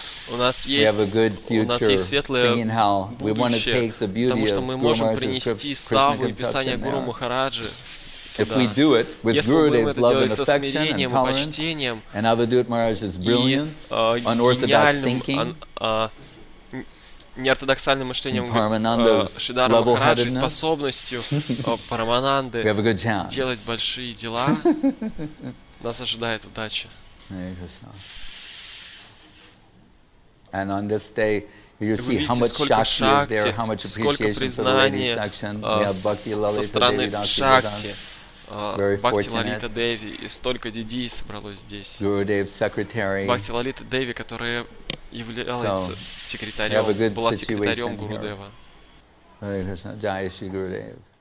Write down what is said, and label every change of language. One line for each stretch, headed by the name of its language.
Russian: У нас есть светлое будущее, потому что мы можем принести славу и писание Гуру Махараджи.
English: If we do it with Gurudev's love and affection and tolerance, and Avadhut Maharaj's brilliance, unorthodox thinking,
Russian: неортодоксальным мышлением Шридхара Махараджи, способностью Парамананды делать большие дела, нас ожидает удача.
English: And on this day, you see how much shakti, shakti is there, how much appreciation for the ladies section. We have Bhakti Lalita Devi Dasi. Very fortunate.
Russian: И столько дидей собралось здесь.
English: Gurudev's secretary.
Russian: Бхакти Лалита Деви, которая является секретарем, была секретарем Гурудева.
English: Jai Shri Gurudev.